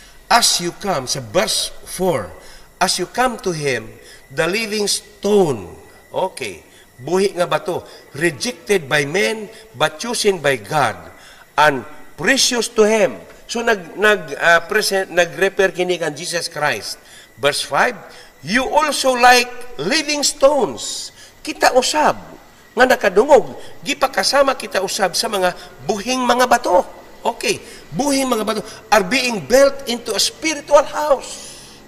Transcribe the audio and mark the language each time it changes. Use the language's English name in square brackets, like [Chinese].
[English] As you come, sa verse 4, as you come to Him, the living stone, okay, [Cebuano] buhi nga bato, [English] rejected by men, but chosen by God, and precious to Him. [Cebuano] So nag-refer kini kan Jesus Christ. [English] Verse 5, you also like living stones. [Cebuano] Kita usab nga nakadungog, gipakasama kita usab sa mga buhing mga bato. [English] Okay, [Cebuano] buhing mga bato [English] are being built into a spiritual house.